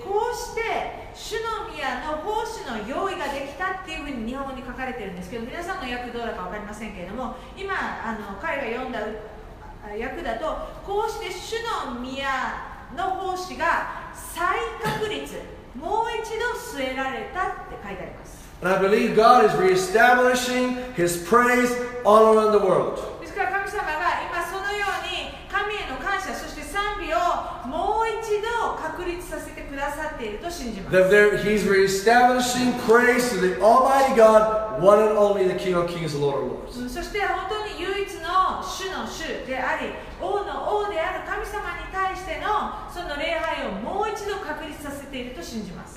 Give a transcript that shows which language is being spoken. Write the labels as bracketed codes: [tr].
[ja] こうして主の宮の奉仕の用意ができたっていうふうに日本語に書かれてるんですけど、皆さんの訳どうだか分かりませんけれども、今あの彼が読んだ訳だと、こうして主の宮の奉仕が再確立、もう一度据えられたって書いてあります。 [en] And I believe God is reestablishing His praise all around the world. [ja] ですから神様が今そのように神への感謝、そして賛美をもう一度確立させてくださっていると信じます。 [en] That there, He's reestablishing praise to the Almighty God, one and only, the King of Kings, the Lord of Lords. [ja] そして本当に唯一の主の主であり、王の王である神様に対してのその礼拝をもう一度確立させていると信じます。